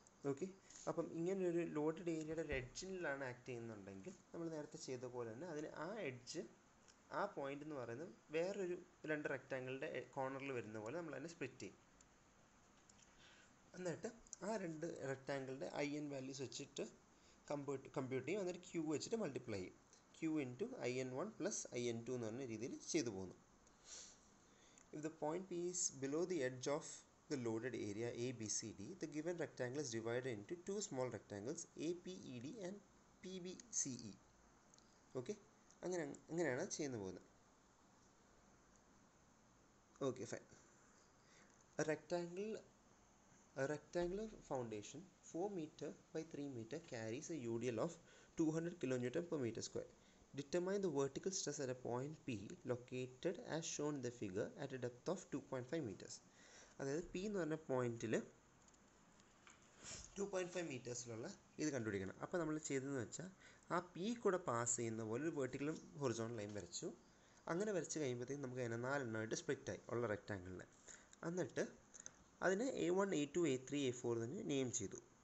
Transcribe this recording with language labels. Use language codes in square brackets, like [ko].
[ml] Okay, അപ്പം ഇങ്ങനൊരു loaded ഏരിയയുടെ ഒരു എഡ്ജിലാണ് ആക്ട് ചെയ്യുന്നുണ്ടെങ്കിൽ നമ്മൾ നേരത്തെ ചെയ്ത പോലെ തന്നെ അതിന് ആ എഡ്ജ് ആ പോയിൻ്റ് എന്ന് പറയുന്നത് വേറൊരു രണ്ട് റെക്റ്റാങ്കിളുടെ കോർണറിൽ വരുന്ന പോലെ നമ്മൾ അതിനെ സ്പ്ലിറ്റ് ചെയ്യും. എന്നിട്ട് ആ രണ്ട് റെക്റ്റാങ്കിളുടെ ഐ എൻ വാല്യൂസ് വെച്ചിട്ട് കമ്പ്യൂട്ട് ചെയ്യും. എന്നിട്ട് ക്യൂ വെച്ചിട്ട് മൾട്ടിപ്ലൈ ചെയ്യും, Q in to I N one plus I N two എന്ന് പറഞ്ഞ രീതിയിൽ ചെയ്തു പോകുന്നു. [en] If the point P is below the edge of the loaded area ABCD, the given rectangle is divided into two small rectangles APED and PBCE. [ml] okay, angana cheyanu povunu. [en] okay, fine. a rectangular foundation 4 meter by 3 meter carries a UDL of 200 kN per meter square. Determine the vertical stress at a point P located as shown in the figure at a depth of 2.5 meters. [ml] അതായത് P എന്ന് പറഞ്ഞ പോയിന്റിൽ 2.5 മീറ്റേഴ്സിലുള്ള ഇത് കണ്ടുപിടിക്കണം. അപ്പോൾ നമ്മൾ ചെയ്തതെന്ന് വെച്ചാൽ ആ പി കൂടെ പാസ് ചെയ്യുന്ന പോലെ ഒരു വെർട്ടിക്കലും ഹൊറിസോണ്ടൽ ലൈൻ വരച്ചു. അങ്ങനെ വരച്ച് കഴിയുമ്പോഴത്തേക്കും നമുക്ക് അതിനെ നാലെണ്ണമായിട്ട് സ്പ്ലിറ്റ് ആയി ഉള്ള റെക്റ്റാങ്കിളിനെ. എന്നിട്ട് അതിനെ A one A to A three A four എന്ന് നെയിം ചെയ്തു.